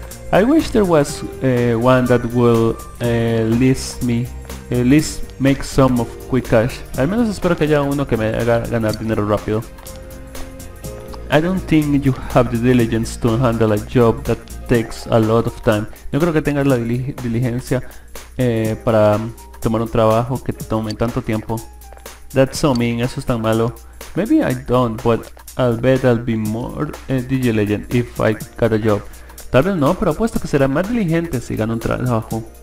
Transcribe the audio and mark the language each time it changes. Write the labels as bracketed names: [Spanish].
[English] I wish there was one that will at least make some of quick cash. [Spanish] Al menos espero que haya uno que me haga ganar dinero rápido. [English] I don't think you have the diligence to handle a job that takes a lot of time. [Spanish] No creo que tengas la diligencia para tomar un trabajo que tome tanto tiempo. [English] That's so mean, [Spanish] eso es tan malo. [English] Maybe I don't, but I'll bet I'll be more diligent if I got a job. [Spanish] Tal vez no, pero apuesto que será más diligente si gano un trabajo.